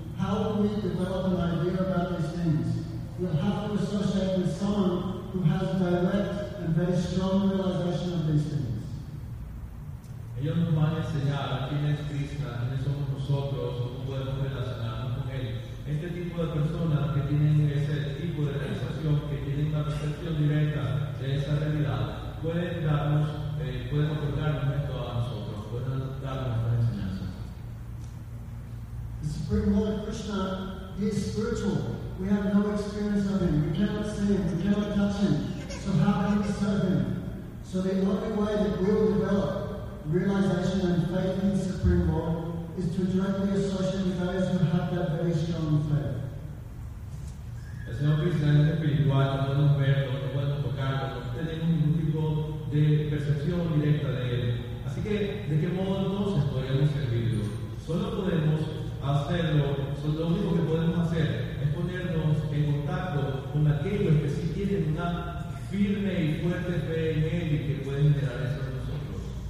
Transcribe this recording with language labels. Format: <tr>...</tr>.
<en>How do we develop an idea about these things? We'll have to associate with someone who has direct and very strong realization of these things.</en> <es>Ellos nos van a enseñar quién es Krishna, quiénes somos nosotros, cómo podemos relacionarnos con él. Este tipo de personas que tienen ese tipo de realización, que tienen la percepción directa de esa realidad, pueden darnos, pueden otorgarnos esto a nosotros, pueden darnos una enseñanza.</es> <en>The Supreme Lord Krishna is spiritual. We have no experience of him. We cannot see him. We cannot touch him. So how can we serve him? So the only way that we will develop realization and faith in the Supreme Lord is to directly associate with those who have that very strong faith.</en> <es>Es un presente espiritual, no podemos verlo, no podemos tocarlo, no tenemos ningún tipo de percepción directa de él. Así que, ¿de qué modo entonces podríamos servirlo? Solo podemos hacerlo, solo lo único que podemos hacer es ponernos en contacto con aquellos que sí tienen una firme y fuerte fe en él y que pueden generar eso en nosotros.</es>